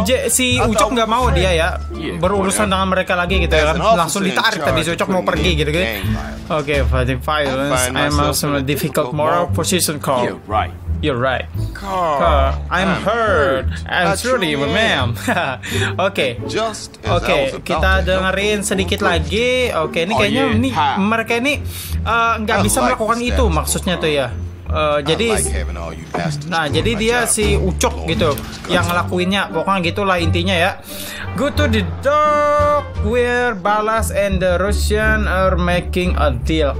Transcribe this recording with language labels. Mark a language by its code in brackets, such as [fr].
[id] Si Ucok nggak mau dia ya berurusan dengan mereka lagi gitu ya kan. Langsung ditarik tadi si Ucok mau pergi gitu kan. Oke, [en] fighting violence. I'm also in a difficult moral position, Carl. You're right. Carl, I'm hurt. I'm truly, ma'am. [id] Oke, kita dengerin sedikit lagi. Oke, ini kayaknya ini mereka ini nggak bisa melakukan itu maksudnya tuh ya. Jadi, nah jadi dia si Ucok gitu yang ngelakuinnya. Pokoknya gitulah intinya ya. [en] Go to the dock where Balas and the Russian are making a deal.